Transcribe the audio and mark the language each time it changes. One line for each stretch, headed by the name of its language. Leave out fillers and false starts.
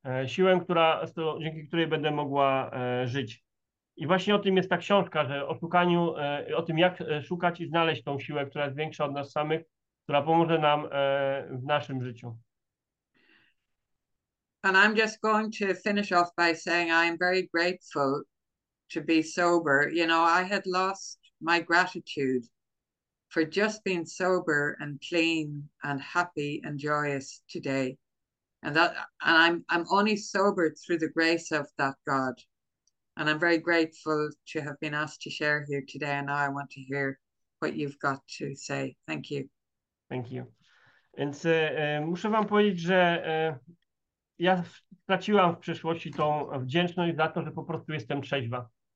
Polish: Siłę, dzięki której będę mogła żyć. I właśnie o tym jest ta książka, że o szukaniu, o tym, jak szukać i znaleźć tą siłę, która jest większa od nas samych, która pomoże nam w naszym życiu.
English: And I'm just going to finish off by saying I'm very grateful to be sober. You know, I had lost my gratitude for just being sober and clean and happy and joyous today. And I'm only sober through the grace of that God. And I'm very grateful to have been asked to share here today. And now I want to hear what you've got to say. Thank you. Thank you.
Polish: Więc muszę wam powiedzieć, że ja straciłam w przeszłości tą wdzięczność za to, że po prostu jestem trzeźwa.